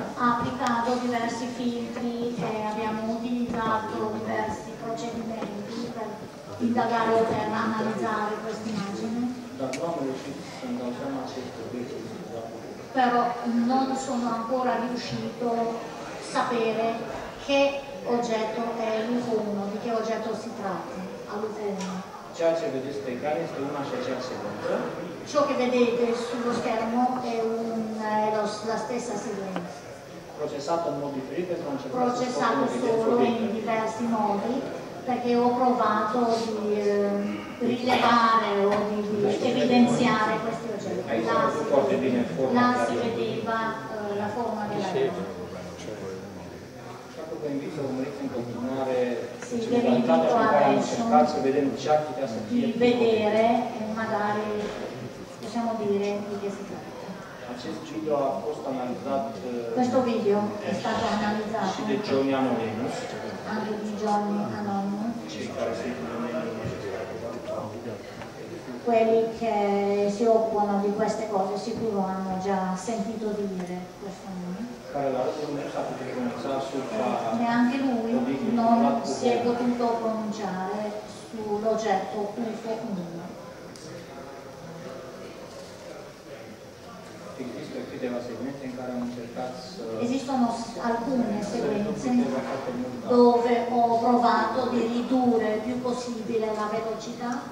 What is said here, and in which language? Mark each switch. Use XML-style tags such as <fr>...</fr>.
<it>aplicato diversi filtri e abbiamo utilizzato diversi procedimenti per indagare o per analizzare queste immagini.</it> <ro>Dar nu am reușit să-mi dau seama ce trebuie.</ro> <it>Però non sono ancora riuscito a sapere che oggetto è l'UFO1, di che oggetto si tratta, all'UFO1.</it> <ro>Ceea ce vedeți pe ecran este una și aceea secvență.</ro> <it>Ciò che vedete sullo schermo è la stessa sequenza. Processato in modi diversi, perché non c'è stato. Processato solo in diversi modi, perché ho provato di rilevare o di evidenziare questi oggetti. Là si vedeva la forma della.</it> <ro>Vă invit să urmăriți în continuare celebritatea pe care am încercat să vedem ce ar putea să fie.</ro> <it>Di vedere, magari, possiamo dire, di che si tratta.</it> <ro>Acest video a fost analizat.</ro> <it>Questo video è stato analizzato.</it> <ro>Și de Johnny Anonymous.</ro> <it>Anche di Johnny Anonymous.</it> <ro>Cei care sunt în America.</ro> <it>Quelli che si occupano di queste cose sicuro hanno già sentito dire questo nome.</it> <ro>Care la rândul meu s-a putut pronunța asupra.</ro> <it>Neanche lui non si è potuto pronunciare sull'oggetto UFO 1.</it> <ro>Există câteva segmente în care am încercat să.</ro> <it>Esistono alcune sequenze dove ho provato di ridurre il più possibile la velocità.</it>